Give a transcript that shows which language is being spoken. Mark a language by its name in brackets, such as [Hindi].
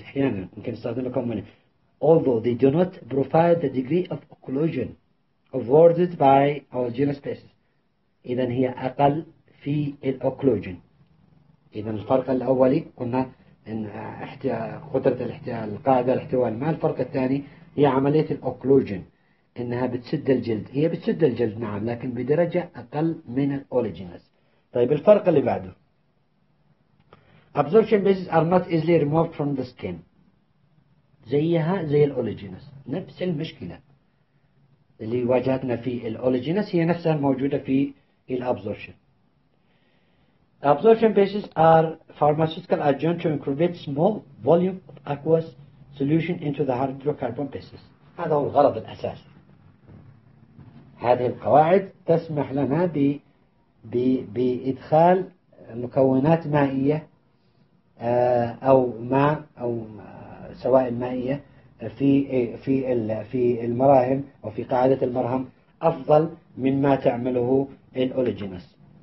[Arabic] أحيانا ممكن نستخدمها كمولينت [English] although they do not provide the degree of occlusion avoided by allogeneous bases. [Arabic] إذا هي أقل في الأوكلوجين. إذا الفرق الأولي قلنا إن قدرة القاعدة لاحتواء الماء، الفرق الثاني هي عملية الأوكلوجين إنها بتسد الجلد، هي بتسد الجلد نعم لكن بدرجة أقل من الأوليجينس. طيب الفرق اللي بعده [English] absorption bases are not easily removed from the skin [Arabic] زيها زي الأوليجينس، نفس المشكلة اللي واجهتنا في الأوليجينس هي نفسها الموجودة في الأبزورشن. [English] Absorption bases are pharmaceutical adjunct to incorporate small volume of aqueous solution into the hydrocarbon bases. [Arabic] هذا هو الغرض الأساسي. هذه القواعد تسمح لنا ب ب بإدخال مكونات مائية أو ماء أو سوائل مائية في المراهم أو في قاعدة المرهم أفضل مما تعمله الأوليجينس.